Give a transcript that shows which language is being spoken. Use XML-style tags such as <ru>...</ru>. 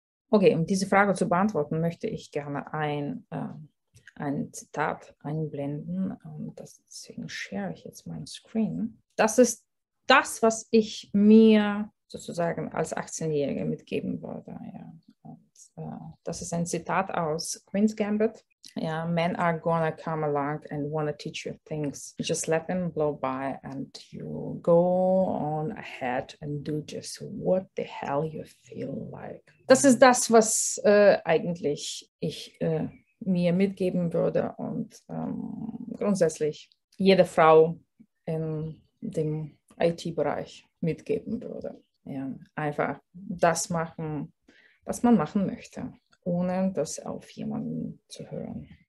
<de>Okay, um diese Frage zu beantworten, möchte ich gerne ein Zitat einblenden, deswegen share ich jetzt meinen Screen. Das ist das, was ich mir sozusagen als 18-Jährige mitgeben würde. Ja. Und, das ist ein Zitat aus Queen's Gambit.</de> <en>Ja, men are gonna come along and wanna teach you things. Just let them blow by and you go on ahead and do just what the hell you feel like.</en> <de>Das ist das, was eigentlich ich mir mitgeben würde, und grundsätzlich jede Frau in dem IT-Bereich mitgeben würde. Ja, einfach das machen, was man machen möchte, ohne das auf jemanden zu hören.</de>